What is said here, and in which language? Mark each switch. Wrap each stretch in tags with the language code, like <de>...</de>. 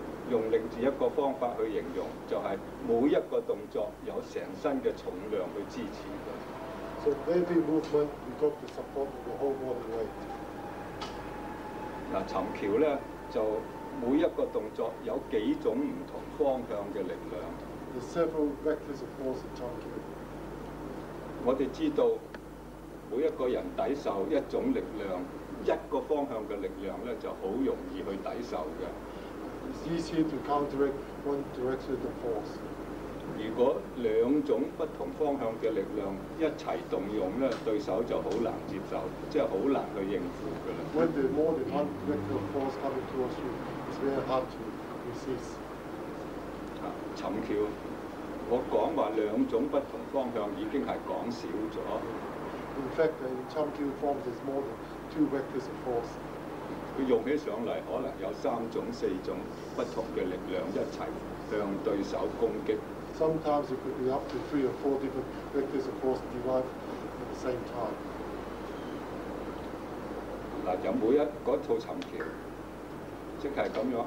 <yue>用另一個方法去形容，就是每一個動作有成身的重量去支持的。</yue> <en>So every movement we got to support the whole body weight.</en> <yue>嗱，沉橋咧就每一個動作有幾種唔同方向的力量。</yue> <en>The several vectors of force in Chum Q.</en> <yue>我哋知道每一個人抵受一種力量。一個方向的力量咧，就好容易去抵受嘅。</yue> <en>It's easy to counteract one direction of force.</en> <yue>如果兩種不同方向的力量一齊動用咧，對手就好難接受，即係好難去應付噶啦。</yue> <en>When the more than one direction of force coming towards you, it's very hard to resist.</en> <yue>沉橋，我講話兩種不同方向已經係講少咗。</yue> <en>In fact, in Chum Q forms, there's more than two vectors of force.</en> <yue>佢用起上嚟，可能有三種、四種不同嘅力量一齊向對手攻擊。</yue> <en>Sometimes it could be up to three or four different vectors of force derived at the same time.</en> <yue>嗱，有每一嗰套沉橋，即係咁樣。</yue>